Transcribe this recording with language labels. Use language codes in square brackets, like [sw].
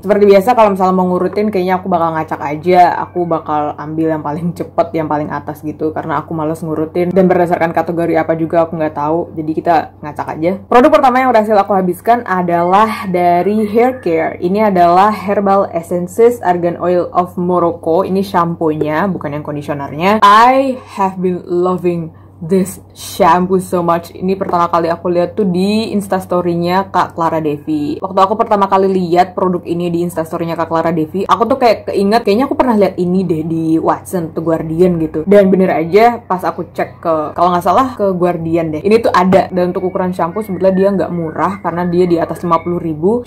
[id] Seperti biasa, kalau misalnya mau ngurutin, kayaknya aku bakal ngacak aja, aku bakal ambil yang paling cepet, yang paling atas gitu, karena aku males ngurutin, dan berdasarkan kategori apa juga aku nggak tahu, jadi kita ngacak aja. Produk pertama yang berhasil aku habiskan adalah dari Hair Care. Ini adalah Herbal Essences Argan Oil of Morocco. Ini shampoo-nya, bukan yang conditionernya. [en] I have been loving this shampoo so much. [id] Ini pertama kali aku lihat tuh di instastory-nya Kak Clara Devi. Waktu aku pertama kali lihat produk ini di instastory-nya Kak Clara Devi, aku tuh kayak keinget, kayaknya aku pernah lihat ini deh di Watson atau Guardian gitu. Dan bener aja pas aku cek ke, kalau nggak salah ke Guardian deh, ini tuh ada. Dan untuk ukuran shampoo sebetulnya dia nggak murah, karena dia di atas 50.000.